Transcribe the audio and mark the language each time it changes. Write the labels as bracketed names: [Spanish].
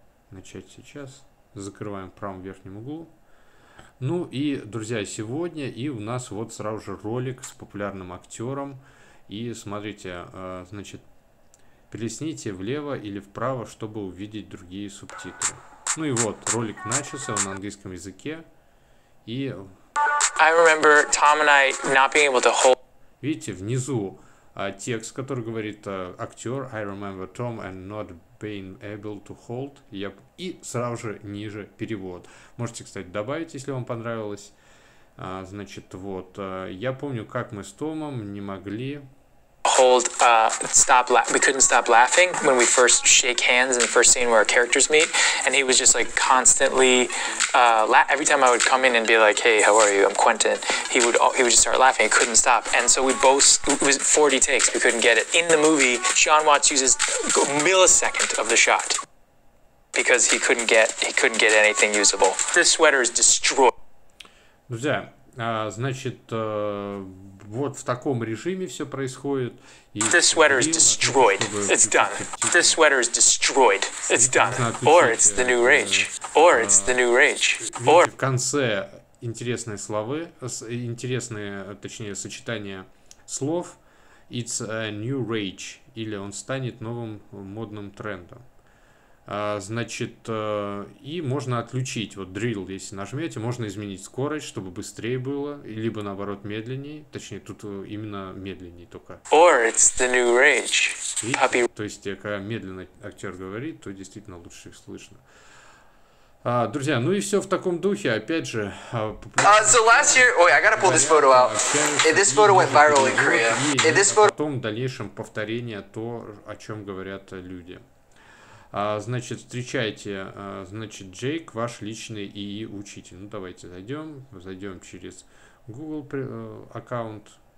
[Russian] Начать сейчас. Закрываем в правом верхнем углу. Ну и, друзья, сегодня и у нас вот сразу же ролик с популярным актером. И смотрите, значит, перелистните влево или вправо, чтобы увидеть другие субтитры. Ну и вот, ролик начался, он на английском языке. И... [English] I remember Tom and I not being able to hold... [Russian] Видите, внизу текст, который говорит актер. [English] I remember Tom and not being able to hold. [Russian] Я... И сразу же ниже перевод. Можете, кстати, добавить, если вам понравилось. Значит, вот. Я помню, как мы с Томом не могли... [English] Hold, stop we couldn't stop laughing when we first shake hands in the first scene where our characters meet. And he was just like constantly, every time I would come in and be like, hey, how are you? I'm Quentin. He would just start laughing. He couldn't stop. And so we both, it was 40 takes. We couldn't get it. In the movie, Sean Watts uses a millisecond of the shot because he couldn't get anything usable. This sweater is destroyed. [Russian] Друзья, значит, вот в таком режиме все происходит. И [English] this sweater is destroyed. It's done. This sweater is destroyed. It's done. Or it's the new rage. Or it's the new rage. Or... [Russian] В конце интересные слова, интересные, точнее, сочетание слов. [English] It's a new rage. [Russian] Или он станет новым модным трендом. Значит, и можно отключить, вот drill, если нажмете, можно изменить скорость, чтобы быстрее было, либо наоборот медленнее, точнее, тут именно медленнее только. [English] Or it's the new rage. Happy... [Russian] То есть, когда медленно актер говорит, то действительно лучше их слышно. Друзья, ну и все в таком духе, опять же. [English] So last year, wait, I gotta pull this photo out. Hey, this photo went viral in Korea. Hey, this photo... [Russian] Потом в дальнейшем повторение то, о чем говорят люди. Значит, встречайте, значит, Джейк, ваш личный ИИ-учитель. Ну, давайте зайдем через Google аккаунт.